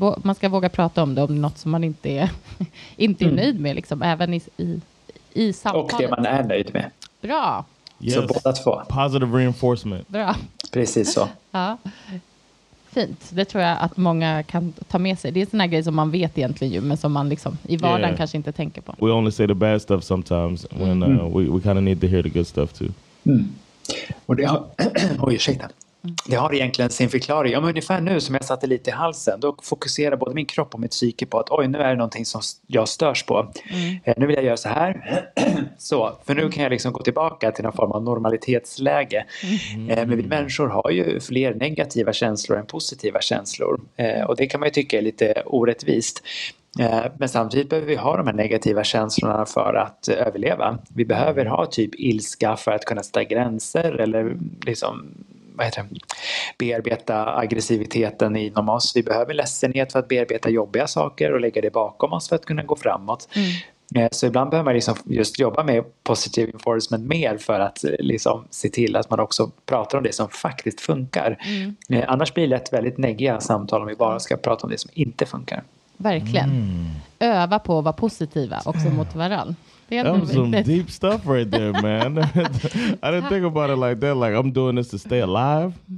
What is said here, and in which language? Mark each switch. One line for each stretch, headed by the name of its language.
Swedish: Man ska våga prata om det, om något som man inte är, inte är nöjd med, liksom, även i samtalet. Och det man är nöjd med. Bra.
English: Yes.
Swedish: Så båda två.
English: Positive reinforcement.
Swedish: Bra. Precis så. Ja. Fint. Det tror jag att många kan ta med sig. Det är en sån här grej som man vet egentligen ju, men som man liksom i vardagen yeah. kanske inte tänker på.
English: We only say the bad stuff sometimes when we kind of need to hear the good stuff too.
Swedish: Mm. Och det har... Oj, ursäkta. Det har egentligen sin förklaring. Ja, men ungefär nu som jag satte lite i halsen, då fokuserar både min kropp och mitt psyke på att oj, nu är det någonting som jag störs på. Mm. Nu vill jag göra så här. Så, för nu kan jag liksom gå tillbaka till någon form av normalitetsläge. Mm. Men vi människor har ju fler negativa känslor än positiva känslor. Och det kan man ju tycka är lite orättvist. Men samtidigt behöver vi ha de här negativa känslorna för att överleva. Vi behöver ha typ ilska för att kunna sätta gränser eller liksom... bearbeta aggressiviteten inom oss. Vi behöver ledsenhet för att bearbeta jobbiga saker och lägga det bakom oss för att kunna gå framåt. Mm. Så ibland behöver man liksom just jobba med positive reinforcement mer för att liksom se till att man också pratar om det som faktiskt funkar. Mm. Annars blir det ett väldigt negativt samtal om vi bara ska prata om det som inte funkar. Verkligen. Mm. Öva på att vara positiva också mot varandra.
English: That was some deep stuff right there, man. I didn't think about it like that. Like, I'm doing this to stay alive.